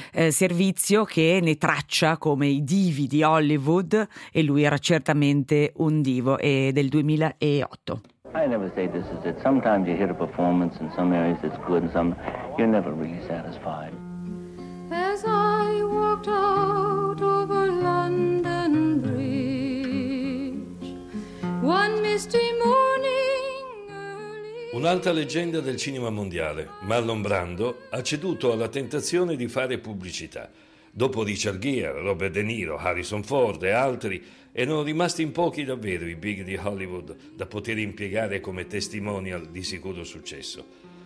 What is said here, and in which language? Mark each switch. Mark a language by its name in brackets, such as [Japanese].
[Italian] servizio che ne traccia come i divi di Hollywood, e lui era certamente un divo, e del 2008. [English] I never say this is it. Sometimes you hit a performance in some areas it's good and some you're never really satisfied. As I walked out over London Bridge, one misty morning. [Italian] Un'altra leggenda del cinema mondiale, Marlon Brando, ha ceduto alla tentazione di fare pubblicità. Dopo Richard Gere, Robert De Niro, Harrison Ford e altri, erano rimasti in pochi davvero i big di Hollywood da poter impiegare come testimonial di sicuro successo.